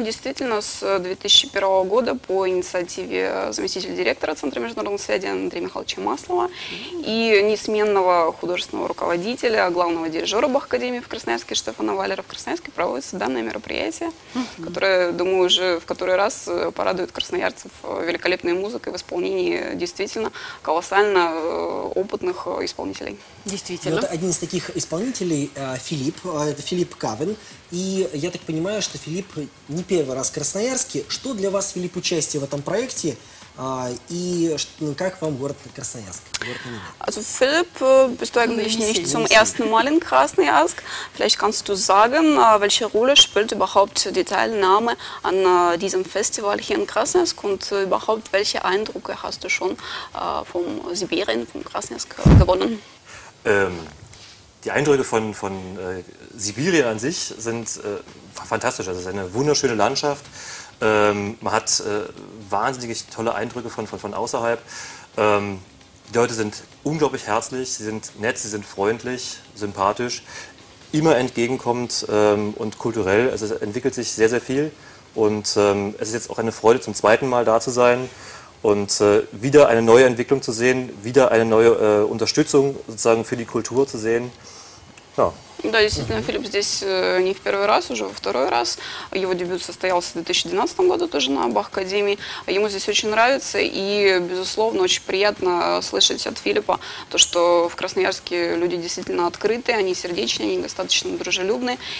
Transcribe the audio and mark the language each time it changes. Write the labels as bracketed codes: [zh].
[ru] Действительно, с 2001 года по инициативе заместителя директора Центра международной связи Андрея Михайловича Маслова и несменного художественного руководителя, главного дирижера Бах-академии в Красноярске Штефана Валера, в Красноярске проводится данное мероприятие, которое, думаю, уже в который раз порадует красноярцев великолепной музыкой в исполнении действительно колоссально опытных исполнителей. Действительно. Вот один из таких исполнителей Филипп, это Филипп Кавин. И я так понимаю, что Филипп не первый раз в Красноярске. Что для вас, Филипп, участие в этом проекте? И как вам город Красноярск? [de] Also Philipp, bist du eigentlich nicht zum ersten Mal in Krasnojarsk? Vielleicht kannst du sagen, welche Rolle spielt überhaupt die Teilnahme an diesem Festival hier in Krasnojarsk und überhaupt welche Eindrücke hast du schon vom Sibirien, vom Krasnojarsk gewonnen? Die Eindrücke von Sibirien an sich sind fantastisch. Also es ist eine wunderschöne Landschaft. Man hat wahnsinnig tolle Eindrücke von außerhalb. Die Leute sind unglaublich herzlich, sie sind nett, sie sind freundlich, sympathisch, immer entgegenkommend und kulturell. Also es entwickelt sich sehr, sehr viel. Und es ist jetzt auch eine Freude, zum zweiten Mal da zu sein und wieder eine neue Entwicklung zu sehen, wieder eine neue Unterstützung sozusagen für die Kultur zu sehen. Ja. [ru] Да, действительно, Филипп здесь не в первый раз, уже во второй раз. Его дебют состоялся в 2012 году тоже на Бах-академии. Ему здесь очень нравится, и, безусловно, очень приятно слышать от Филиппа то, что в Красноярске люди действительно открытые, они сердечные, они достаточно дружелюбные.